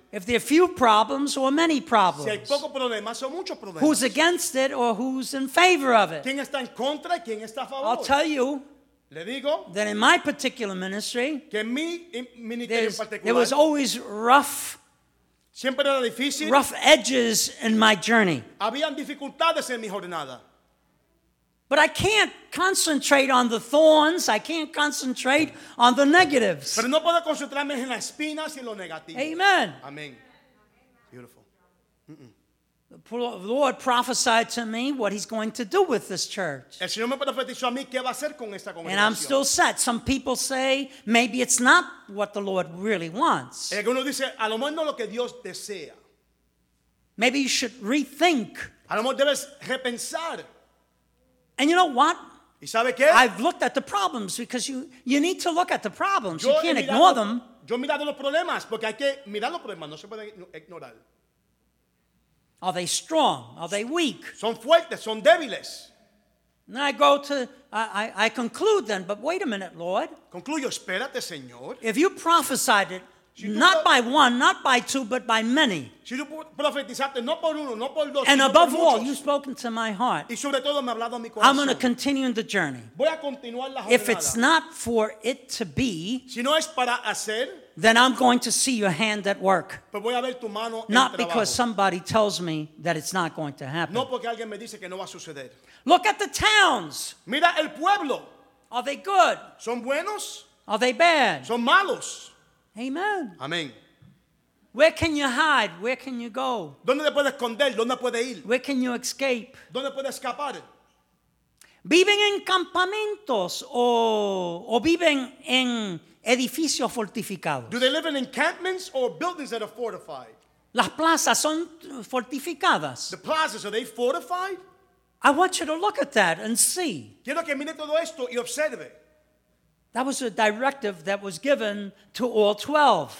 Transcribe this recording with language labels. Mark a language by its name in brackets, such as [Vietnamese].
[English] If there are few problems or many problems. [Spanish] Si hay poco problemas o muchos problemas. [English] Who's against it or who's in favor of it? [Spanish] ¿Quién está en contra y quién está a favor? [English] I'll tell you. [Spanish] Le digo. [English] That in my particular ministry, [Spanish] que en mi ministerio en particular, [English] there was always rough. [Spanish] Siempre era difícil. [English] Rough edges in my journey. [Spanish] Habían dificultades en mi jornada. [English] But I can't concentrate on the thorns. I can't concentrate on the negatives. [Spanish] Pero no puedo concentrarme en las espinas y lo negativo. [English] Amen. [Spanish] Amén. Beautiful. [English] The Lord prophesied to me what he's going to do with this church. [Spanish] El Señor me profetizó a mí qué va a hacer con esta congregación. [English] And I'm still set. Some people say maybe it's not what the Lord really wants. [Spanish] Algunos dicen, a lo mejor no lo que Dios desea. [English] Maybe you should rethink. [Spanish] A lo mejor debes repensar. [English] And you know what? [Spanish] ¿Y sabe qué? [English] I've looked at the problems because you need to look at the problems. You can't ignore them. [Spanish] Yo he mirado los problemas porque hay que mirar los problemas. No se puede ignorar. [English] Are they strong? Are they weak? [Spanish] Son fuertes, son débiles. [English] And I go to, I conclude then, but wait a minute, Lord. [Spanish] Concluyo, espérate, Señor. [English] If you prophesied it, not by one, not by two, but by many. [Spanish] Si tú profetizaste no por uno, no por dos, [English] and above all, you've spoken to my heart. [Spanish] Y sobre todo me ha hablado a mi corazón. [English] I'm going to continue in the journey. [Spanish] Voy a continuar la jornada. [English] If it's not for it to be, [Spanish] si no es para hacer, [English] then I'm going to see your hand at work. [Spanish] Pero voy a ver tu mano [English] not [Spanish] en trabajo. [English] Because somebody tells me that it's not going to happen. [Spanish] No porque alguien me dice que no va a suceder. [English] Look at the towns. [Spanish] Mira el pueblo. [English] Are they good? [Spanish] Son buenos? [English] Are they bad? [Spanish] Son malos. [English] Amen. [Spanish] Amen. [English] Where can you hide? Where can you go? [Spanish] ¿Dónde te puedes esconder? ¿Dónde puedes ir? [English] Where can you escape? [Spanish] ¿Dónde puedes escapar? ¿Viven en campamentos o viven en edificios fortificados? [English] Do they live in encampments or buildings that are fortified? [Spanish] ¿Las plazas son fortificadas? [English] The plazas, are they fortified? I want you to look at that and see. [Spanish] Quiero que mire todo esto y observe. [English] That was a directive that was given to all 12.